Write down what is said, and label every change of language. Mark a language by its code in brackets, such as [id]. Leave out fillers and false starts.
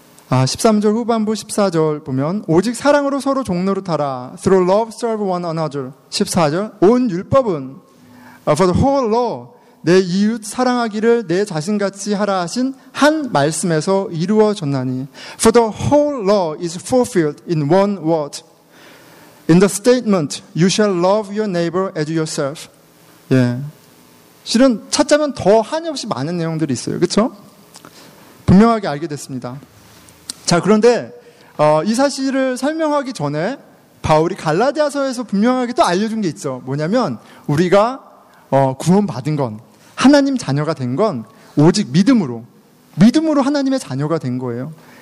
[ko] 아, 13절 후반부 14절 보면 오직 사랑으로 서로 종노릇하라. [en] Through love serve one another. [ko] 14절 온 율법은 [en] for the whole law, [ko] 내 이웃 사랑하기를 내 자신같이 하라 하신 한 말씀에서 이루어졌나니. [en] For the whole law is fulfilled in one word. In the statement, you shall love your neighbor as yourself. [ko] 예, 실은 찾자면 더 한없이 많은 내용들이 있어요. 그렇죠? 분명하게 알게 됐습니다. 자, 그런데 이 사실을 설명하기 전에 바울이 갈라디아서에서 분명하게 또 알려준 게 있어. 뭐냐면 우리가 구원받은 건, 하나님 자녀가 된 건 오직 믿음으로 하나님의 자녀가 된 거예요.